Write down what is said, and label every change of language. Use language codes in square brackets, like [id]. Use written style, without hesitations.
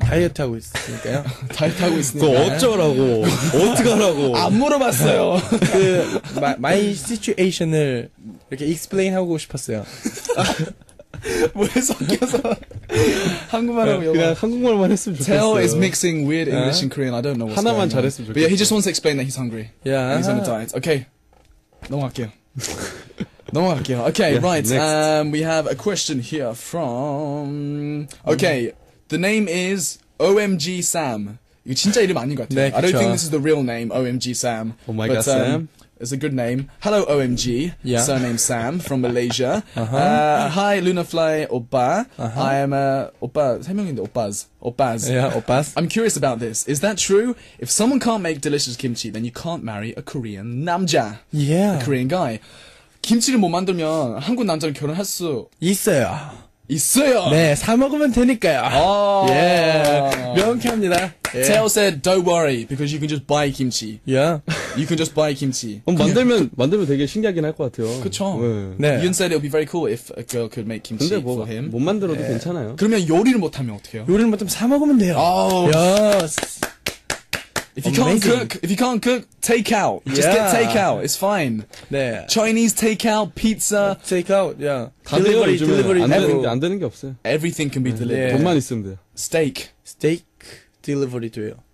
[ko] 다이어트 하고 있으니까요. 다이어트 하고 있으니까요. 그거 어쩌라고. 어떡하라고. 안 물어봤어요. 그, [en] my situation [ko] 을 이렇게 explain 하고 싶었어요. 왜 섞여서 한국말하고 영어 그냥 한국말만 했으면 좋겠어요. [en] Tao is mixing weird English and Korean. I don't know what's [ko] 하나만 [en] going [ko] 잘했으면 좋겠어요. [en] But yeah, he just wants to explain that he's hungry. Yeah. And he's on a diet. Okay. [ko] 넘어갈게요. 넘어갈게요. [en] Okay, yeah, right. Next. We have a question here from... Okay, the name is OMG Sam. [ko] 이거 진짜 이름 아닌 것 같아요. 네, [en] I don't think this is the real name, OMG Sam. Oh my but, god, Sam. It's a good name. Hello, OMG. Yeah. Surname Sam from Malaysia. Uh-huh. Hi, Lunafly, 오빠. Uh-huh. I am a... 오빠, [ko] 세 명인데, [en] 오빠즈. 오빠즈. Yeah, 오빠즈. I'm curious about this. Is that true? If someone can't make delicious kimchi, then you can't marry a Korean 남자. Yeah. A Korean guy. [ko] 김치를 못 만들면 한국 남자랑 결혼할 수 있어요. 있어요. 네, 사 먹으면 되니까요. 아, 예, 명쾌합니다. Yeah. [en] Tao said, "Don't worry, because you can just buy kimchi." Yeah, you can just buy kimchi. [ko] 그럼 만들면 되게 신기하긴 할 것 같아요. 그쵸. 네. 네. [en] Yun said it would be very cool if a girl could make kimchi [ko] 근데 [en] for him. [ko] 못 만들어도 [en] yeah. [ko] 괜찮아요. 그러면 요리를 못 하면 어떡해요? 요리를 못 하면 사 먹으면 돼요. 아, [en] yes. If you Amazing. Can't cook, if you can't cook, take out. Yeah. Just get take out. It's fine. [ko] 네. [en] Chinese take out, pizza. Take out, yeah. Delivery. [ko] 안 되는 게 없어요. [en] Everything can be delivered. [ko] 네. 돈만 있으면 돼요. [en] Steak. [ko] Steak delivery 돼요.